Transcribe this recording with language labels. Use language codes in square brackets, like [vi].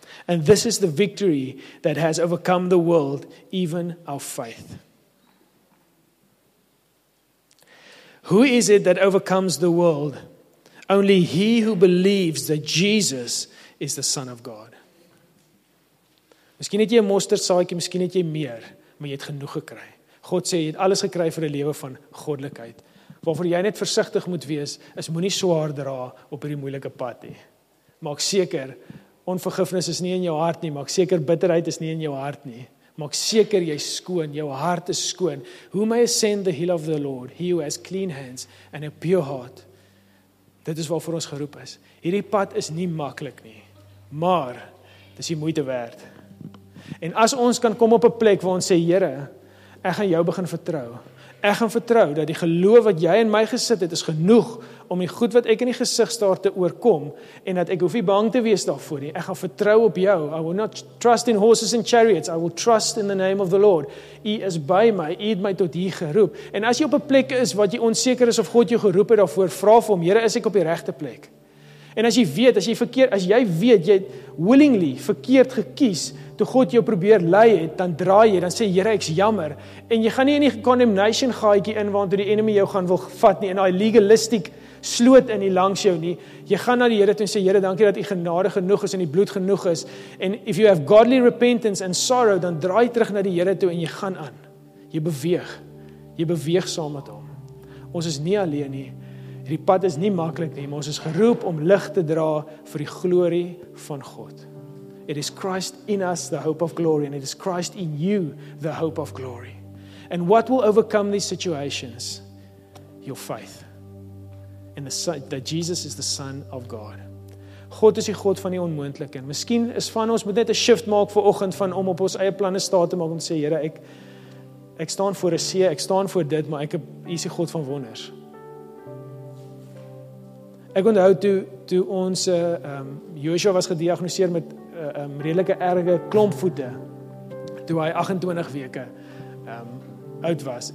[en] And this is the victory that has overcome the world, even our faith. Who is it that overcomes the world? Only he who believes that Jesus is the Son of God. [af] Miskien het jy 'n mosterdsaadjie, miskien het jy meer, maar jy het genoeg gekry. God sê, jy het alles gekry vir 'n lewe van goddelikheid. Waarvoor jy net versigtig moet wees, is moenie swaar dra op hierdie moeilike pad nie. Maak seker, onvergifnis is nie in jou hart nie, maak seker bitterheid is nie in jou hart nie. Maak seker jy skoon, jou hart is skoon. [en] Who may ascend the hill of the Lord? He who has clean hands and a pure heart. [af] Dit is waarvoor ons geroep is. Hierdie pad is nie maklik nie, maar dis die moeite werd. En as ons kan kom op 'n plek waar ons sê, Here, ek gaan jou begin vertrou. Ek gaan vertrou dat die geloof wat jy in my gesit het, is genoeg om die goed wat ek in die gesig staar te oorkom en dat ek hoef nie bang te wees daarvoor nie. Ek gaan vertrou op jou. [en] I will not trust in horses and chariots. I will trust in the name of the Lord. [af] U is by my. U het my tot hier geroep. En as jy op 'n plek is wat jy onseker is of God jou geroep het daarvoor, vra vir hom, Here, is ek op die regte plek? En as jy weet, jy het willingly verkeerd gekies toe God jou probeer lei het, dan draai jy, dan sê Here, ek's jammer. En jy gaan nie in die condemnation gaatjie in waar toe die enemy jou gaan wil vat nie, in daai legalistic sloot in die langs jou nie. Jy gaan na die Here toe en sê, Here, dankie dat u genade genoeg is en die bloed genoeg is. En [en] if you have godly repentance and sorrow, [af] dan draai terug na die Here toe en jy gaan aan. Jy beweeg. Jy beweeg saam met hom. Ons is nie alleen nie. Die pad is nie maklik nie, maar ons is geroep om lig te dra vir die glorie van God. [en] It is Christ in us, the hope of glory, and it is Christ in you, the hope of glory. And what will overcome these situations? Your faith. In the sight that Jesus is the Son of God. [af] God is die God van die onmoontlike. En miskien is van ons moet net 'n shift maak vir oggend van om op ons eie planne staat te maak en sê, Here, ek staan voor 'n see, ek staan voor dit, maar u is die God van wonders. Ek onthou toe ons Joshua was gediagnoseer met redelike erge klompvoete toe hy 28 weke oud was.